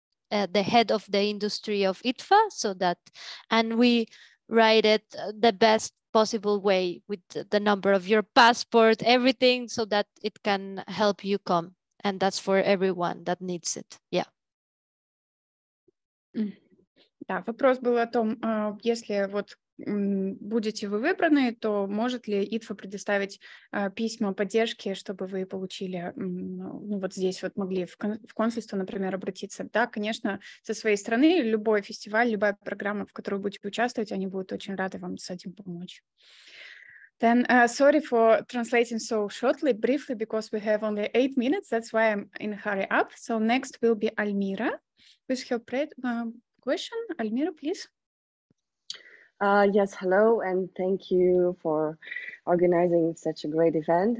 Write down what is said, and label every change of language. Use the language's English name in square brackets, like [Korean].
[English] the head of the industry of ITFA, so that, and we write it the best possible way with the number of your passport, everything, so that it can help you come. And that's for everyone that needs it. Yeah. [Russian] Да, вопрос был о том, если вот будете вы выбраны, то может ли ИТФА предоставить письма поддержки, чтобы вы получили, ну вот здесь вот могли в консульство, например, обратиться. Да, конечно, со своей стороны любой фестиваль, любая программа, в которой вы будете участвовать, они будут очень рады вам с этим помочь. [English] Then, sorry for translating so shortly, briefly, because we have only 8 minutes, that's why I'm in a hurry up. So next will be Almira, with her question. Almira, please. Yes, hello, and thank you for organizing such a great event.